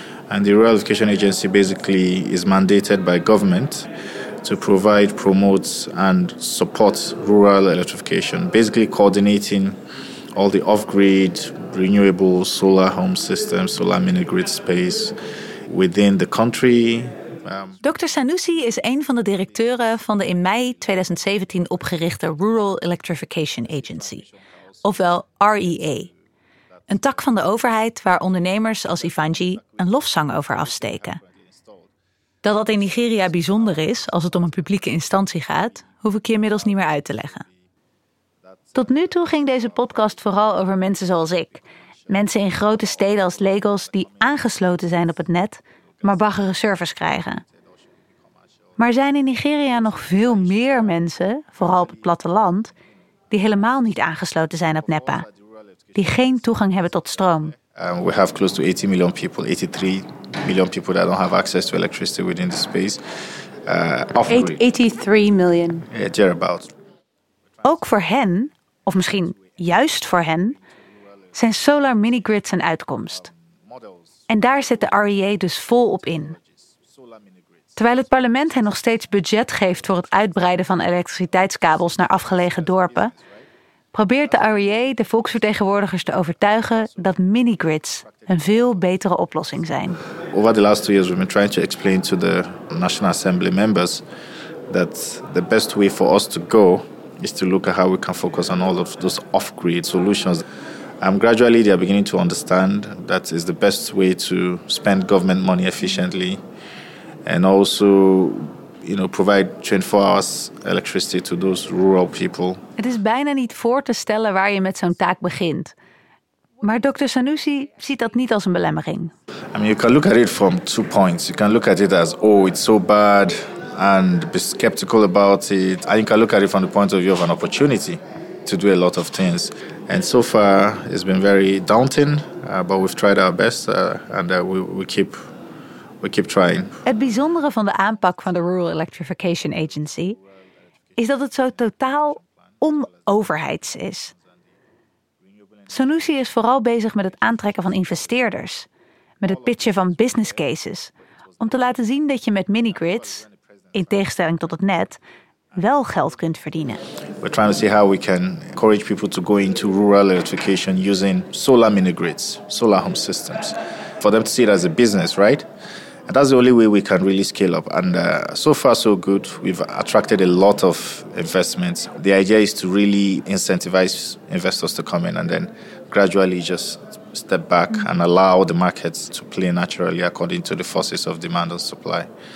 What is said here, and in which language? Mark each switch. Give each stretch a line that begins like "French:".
English: And the Rural Electrification Agency basically is mandated by government to provide, promote, and support rural electrification, basically coordinating all the off-grid, renewable solar home systems, solar mini-grid space within the country.
Dutch: Dr. Sanusi is een van de directeuren van de in mei 2017 opgerichte Rural Electrification Agency, ofwel REA. Een tak van de overheid waar ondernemers als Ifanji een lofzang over afsteken. Dat dat in Nigeria bijzonder is als het om een publieke instantie gaat, hoef ik je inmiddels niet meer uit te leggen. Tot nu toe ging deze podcast vooral over mensen zoals ik. Mensen in grote steden als Lagos die aangesloten zijn op het net, maar baggere servers krijgen. Maar zijn in Nigeria nog veel meer mensen, vooral op het platteland, die helemaal niet aangesloten zijn op NEPA, die geen toegang hebben tot stroom?
English: We have close to 80 million people, 83 million people that don't have access to electricity within the space. 83 million. Yeah, thereabouts.
Dutch: Ook voor hen, of misschien juist voor hen, zijn solar mini-grids een uitkomst. En daar zit de REA dus vol op in. Terwijl het parlement hen nog steeds budget geeft voor het uitbreiden van elektriciteitskabels naar afgelegen dorpen, probeert de REA de volksvertegenwoordigers te overtuigen dat mini-grids een veel betere oplossing zijn.
English: Over the last 2 years, we've been trying to explain to the National Assembly members that the best way for us to go is to look at how we can focus on all of those off-grid solutions. Gradually, they are beginning to understand that is the best way to spend government money efficiently and also, you know, provide 24 hours electricity to those rural people.
Dutch: Het is bijna niet voor te stellen waar je met zo'n taak begint. Maar Dr. Sanusi ziet dat niet als een belemmering.
English: I mean, you can look at it from 2 points. You can look at it as, oh, it's so bad, and be skeptical about it. And you can look at it from the point of view of an opportunity to do a lot of things. And so far, it's been very daunting, but we've tried our best, and we keep trying.
Dutch: Het bijzondere van de aanpak van de Rural Electrification Agency is dat het zo totaal onoverheids is. Sanusi is vooral bezig met het aantrekken van investeerders, met het pitchen van business cases, om te laten zien dat je met mini-grids, in tegenstelling tot het net, wel geld kunt verdienen.
English: We're trying to see how we can encourage people to go into rural electrification using solar mini-grids, solar home systems, for them to see it as a business, right? And that's the only way we can really scale up. And so far, so good. We've attracted a lot of investments. The idea is to really incentivize investors to come in and then gradually just step back and allow the markets to play naturally according to the forces of demand and supply.